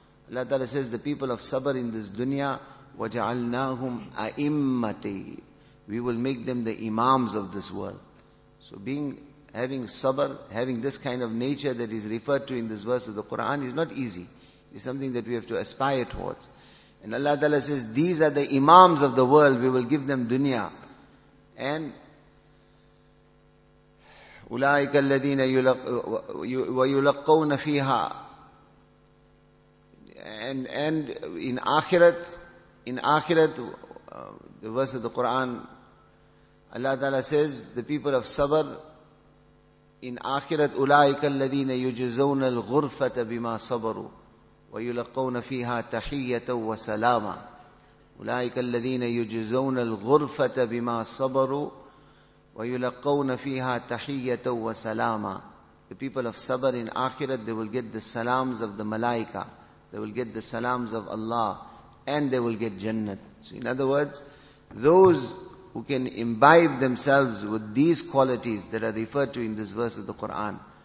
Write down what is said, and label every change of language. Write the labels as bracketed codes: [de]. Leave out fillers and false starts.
[en] Allah Ta'ala says, the people of sabr in this dunya, [ar] وَجَعَلْنَاهُمْ أَئِمَّةً, [en] we will make them the imams of this world. So having sabr, having this kind of nature that is referred to in this verse of the Quran is not easy. It's something that we have to aspire towards. And Allah Ta'ala says, these are the imams of the world, we will give them dunya. And [ar] أولئك الذين يلقون فيها, [en] and in akhirat, the verse of the Quran, Allah Ta'ala says, the people of sabr, in akhirat, [ar] أولئك الذين يجزون الغرفة بما صبروا ويلقون فيها تحية وسلاما. أولئك الذين يجزون الغرفة بما صبروا وَيُلَقَّوْنَ فِيهَا تَحِيَّةً وَسَلَامًا. [en] The people of sabr in akhirat, they will get the salams of the malaika. They will get the salams of Allah. And they will get jannat. So in other words, those who can imbibe themselves with these qualities that are referred to in this verse of the Quran.